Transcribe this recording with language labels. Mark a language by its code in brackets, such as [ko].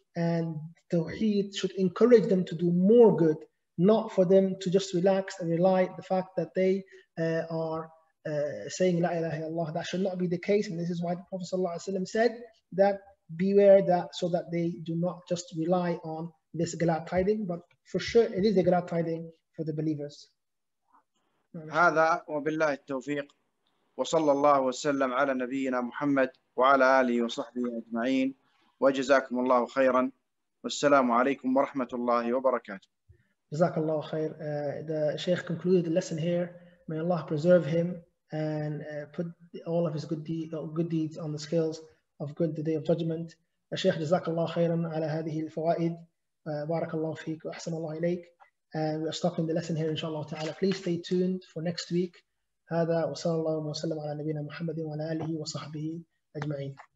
[en] And tawheed should encourage them to do more good, not for them to just relax and rely on the fact that they are saying la ilaha illallah. That should not be the case. And this is why the Prophet sallallahu alaihi wasallam said that beware that, so that they do not just rely on this glad tiding, but for sure it is a glad tiding for the believers. [ar] هذا وبالله التوفيق وصلى الله وسلم على نبينا محمد وعلى آله وصحبه أجمعين وجزاكم الله خيرا والسلام عليكم ورحمة الله وبركاته. جزاك الله خير. [en] The Sheikh concluded the lesson here. May Allah preserve him and put all of his good deeds on the scales of good the day of judgment. Sheikh, [ar] جزاك الله خيرا على هذه الفوائد. بارك الله فيك وأحسن الله إليك. [en] And we are stopping the lesson here, inshallah ta'ala. Please stay tuned for next week. [ar] هذا وصلى الله وسلم على نبينا محمد وعلى آله وصحبه أجمعين.